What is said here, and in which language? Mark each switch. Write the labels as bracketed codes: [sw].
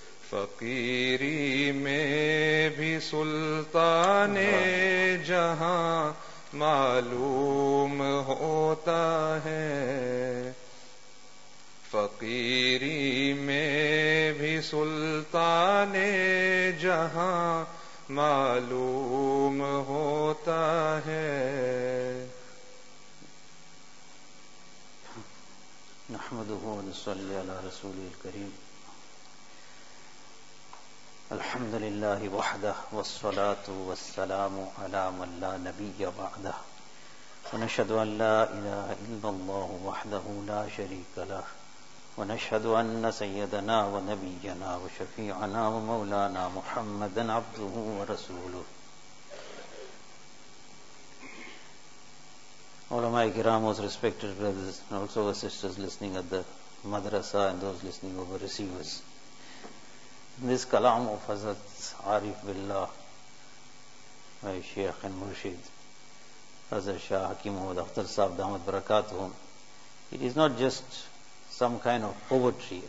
[ur] فقیری میں بھی سلطان جہاں معلوم ہوتا ہے، فقیری میں بھی سلطان جہاں معلوم ہوتا ہے، [ar] نحمده ونصلي على رسوله الكريم، الحمد لله وحده والصلاة والسلام على من لا نبي بعده، ونشهد أن لا إله إلا الله وحده لا شريك له، ونشهد أن سيدنا ونبينا وشفيعنا ومولانا محمدا عبده ورسوله. [en] All of my kiram, most respected brothers and also our sisters listening at the madrasa and those listening over receivers, this kalam of Hazrat Arif Billah, my Shaykh and Murshid, Hazrat Shah Hakim Mohd Akhtar Sahib Damat Barakatuhum, it is not just some kind of poetry.